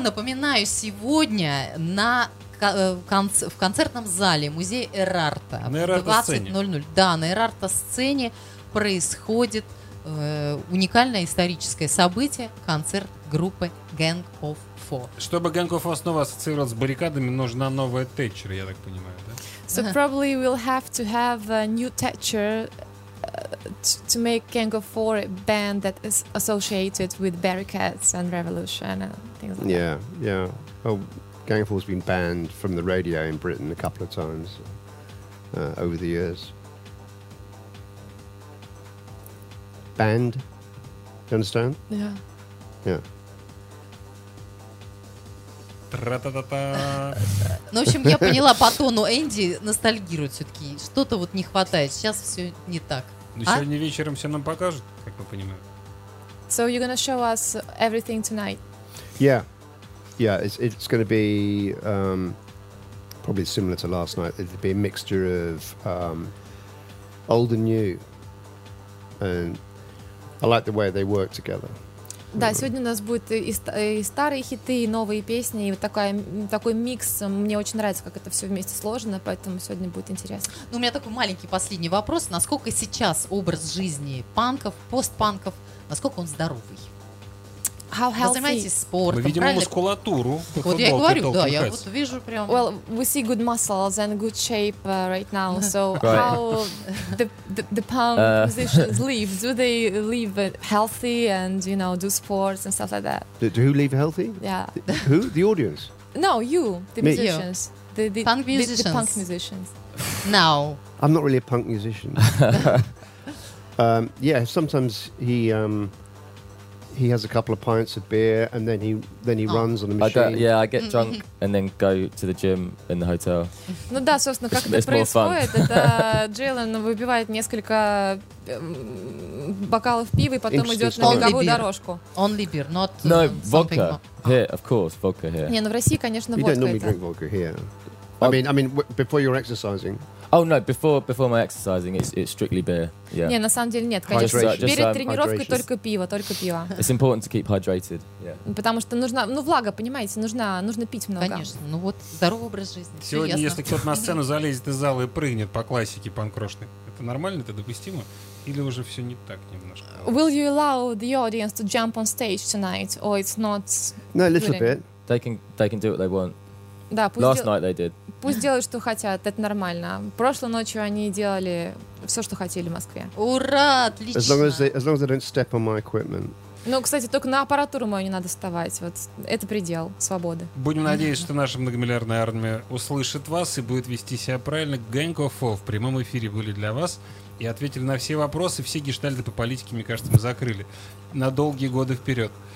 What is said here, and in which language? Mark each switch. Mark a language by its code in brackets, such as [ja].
[ru] Напоминаю, сегодня на в концертном зале музея Эрарта на Эрарта-сцене. Да, на Эрарта-сцене происходит уникальное историческое событие, концерт группы Gang of Four. Чтобы Gang of Four снова ассоциировалась с баррикадами, нужна новая Тэтчер, я так понимаю, да? [en] So probably we'll have to have a new Thatcher to make Gang of Four a band that is associated with barricades and revolution and things like that. Yeah, yeah. Oh, Gang of Four has been banned from the radio in Britain a couple of times over the years. band. You understand? Yeah. Yeah. Тра-та-та-та. [ru] Ну, в общем, я поняла по тону. Энди ностальгирует все-таки. Что-то вот не хватает. Сейчас все не так. Ну, сегодня вечером все нам покажут, как мы понимаем. [en] So you're gonna show us everything tonight? Yeah. Yeah, it's gonna be probably similar to last night. It'll be a mixture of old and new. And I like the way they work together. [ru] Да, сегодня у нас будет и старые хиты, и новые песни, и вот такой микс. Мне очень нравится, как это все вместе сложено, поэтому сегодня будет интересно. Ну, у меня такой маленький последний вопрос. Насколько сейчас образ жизни панков, постпанков, насколько он здоровый? [en] How healthy? [ru] Вы занимаетесь спортом, мы видим правильно? Мускулатуру. Так вот я и говорю, да, я вот вижу прям... [en] Well, we see good muscles and good shape right now, so right. How the punk musicians live? Do they live healthy and, you know, do sports and stuff like that? Do who live healthy? Yeah. Who? The audience? No, you, the Me? Musicians. You. The punk musicians. The punk musicians. No. I'm not really a punk musician. yeah, sometimes he... He has a couple of pints of beer, and then he runs on the machine. I get drunk and then go to the gym in the hotel. [ru] Ну да, собственно, как это происходит? Это Джейлен выпивает несколько бокалов пива и потом идет на беговую дорожку. [en] Only beer, not no vodka. Here, of course, vodka here. [ru] Не, ну в России, конечно, водка. [en] You don't normally drink vodka here. I mean, before you're exercising. Oh no, before my exercising, it's strictly beer. Yeah. [ru] Не, на самом деле нет, конечно. Перед тренировкой только пиво. [en] It's important to keep hydrated. Yeah. [ru] Потому что нужна, ну, влага, понимаете, нужно пить много. Конечно, ну вот здоровый образ жизни. Сегодня, если кто-то на сцену залезет из зала и прыгнет по классике панк-рошной, это нормально, это допустимо? Или уже все не так немножко? [en] Will you allow the audience to jump on stage tonight, or it's not? No, a little bit. They can do what they want. [ru] Да, пусть делают, что хотят, это нормально. Прошлой ночью они делали все, что хотели в Москве. Ура, отлично. [en] As long as they don't step on my equipment. [ru] Ну, кстати, только на аппаратуру мою не надо вставать. Вот это предел свободы. Будем надеяться, что наша многомиллиардная армия услышит вас и будет вести себя правильно. Gang of Four в прямом эфире были для вас и ответили на все вопросы. Все гештальты по политике, мне кажется, мы закрыли на долгие годы вперед.